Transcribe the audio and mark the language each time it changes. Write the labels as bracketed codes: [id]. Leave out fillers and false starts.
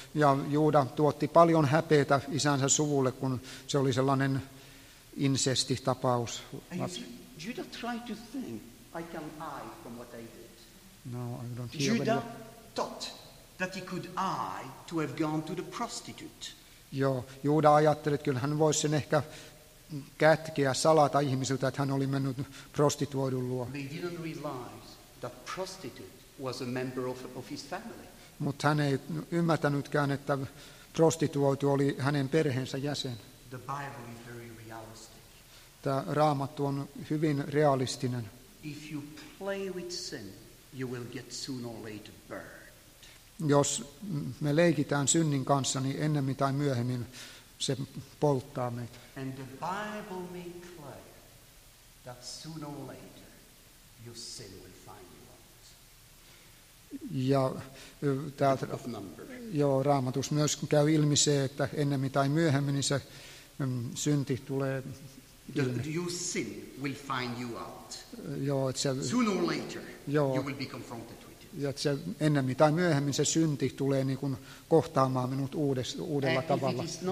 [fi] Ja Juuda tuotti paljon häpeätä isänsä suvulle, kun se oli sellainen incesti tapaus. [en] Judah tried to think, I can hide from what I did. No, I don't hear. Judah thought that he could hide to have gone to the prostitute. [fi] Joo, Juuda ajatteli, että kyllä hän voisi sen ehkä kätkeä, salata ihmisiltä, että hän oli mennyt prostituoidun luo. [en] They didn't realize that prostitute was a member of his family. [fi] Mutta hän ei ymmärtänytkään, että prostituoitu oli hänen perheensä jäsen. [en] The Bible is very realistic. [fi] Tämä Raamattu on hyvin realistinen. [en] If you play with sin, you will get sooner or later burned. [fi] Jos me leikitään synnin kanssa, niin ennemmin tai myöhemmin se polttaa meitä. [en] And the Bible may claim that sooner or later your sin will find you out. [fi] Ja täältä, joo, Raamatus myös käy ilmi se, että ennemmin tai myöhemmin se synti tulee ilmi. [en] Your sin will find you out. [fi] Joo, että se, [en] sooner or later you will be confronted. [fi] Ja se ennemmin tai myöhemmin se synti tulee niin kuin kohtaamaan minut uudella tavalla.